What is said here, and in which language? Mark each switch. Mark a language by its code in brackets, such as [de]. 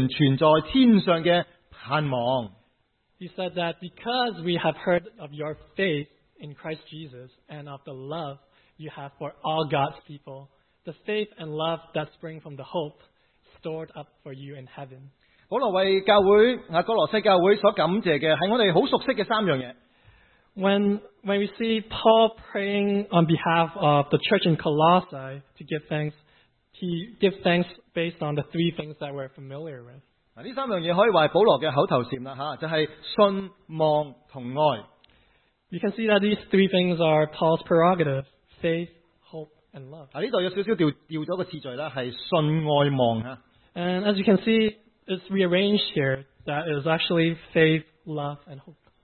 [zh] 他说,因听见你们在基督耶稣里的信心,并向众圣徒的爱心,是为那给你们存在天上的盼望。 [en] He said that because we have heard of your faith in Christ Jesus and of the love you have for all God's people, the faith and love that spring from the hope stored up for you in heaven. [zh] 保罗为教会,哥罗西教会所感谢的,是我们很熟悉的三样东西。 [en] When we see Paul praying on behalf of the church in Colossae to give thanks, he gives thanks based on the three things that we're familiar with. [zh] 这三样东西可以说是保罗的口头禅,就是信,望,和爱。 [en] You can see that these three things are Paul's prerogative, faith, hope, and love. [zh] 这里有少少调了个次序,是信,爱,望。 [en] And as you can see, it's rearranged here that it is actually faith, love, and hope.